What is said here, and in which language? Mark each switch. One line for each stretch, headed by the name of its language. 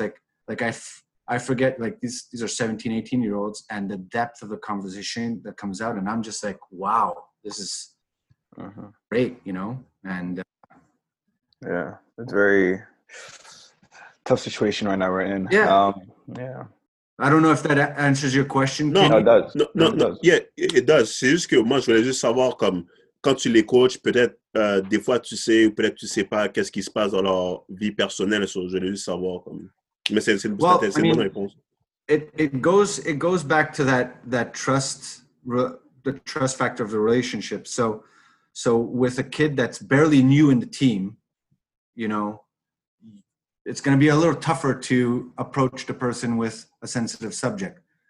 English: Like I forget, like these are 17, 18 year olds, and the depth of the conversation that comes out, and I'm just like, wow, this is great, you know? And yeah, it's a very tough situation right now we're in. Yeah. Yeah. I don't know if that answers your question. No, it does. Yeah, it does.
French: C'est juste que moi, je voulais juste savoir comme, quand tu les coaches, peut-être des fois tu sais ou peut-être tu sais pas qu'est-ce qui se passe dans leur vie personnelle. So, je voulais juste savoir. Comme... Mais c'est une bonne réponse.
English: It goes back to that trust factor of the relationship. So So with a kid that's barely new in the team, you know, it's going to be a little tougher to approach the person with a sensitive subject.